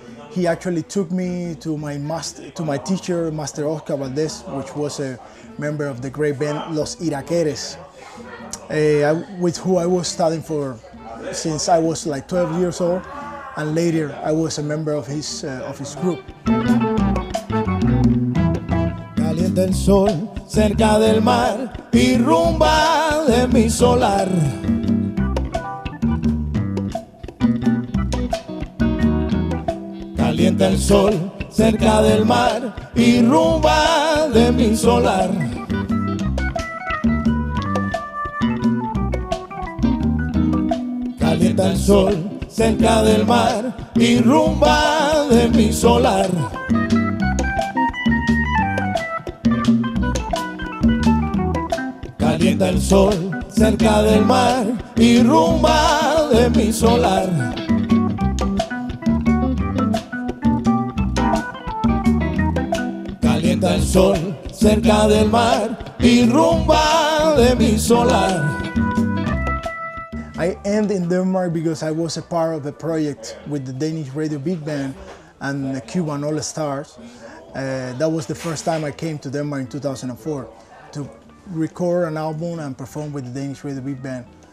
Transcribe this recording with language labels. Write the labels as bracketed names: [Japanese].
[English] He actually took me to my teacher, Master Oscar Valdez, which was a member of the great band Los Iraqueres, with who I was studying for since I was like 12 years old, and later I was a member of his group. [Spanish] Caliente el sol cerca del mar y rumba de mi solar. Calienta el sol cerca del mar y rumba de mi solar. Calienta el sol cerca del mar y rumba de mi solar. Calienta el sol cerca del mar y rumba de mi solar. Calienta el sol cerca del mar y rumba de mi solar. [English] I end in Denmark because I was a part of a project with the Danish Radio Big Band and the Cuban All Stars. That was the first time I came to Denmark in 2004 to record an album and perform with the Danish Radio Big Band.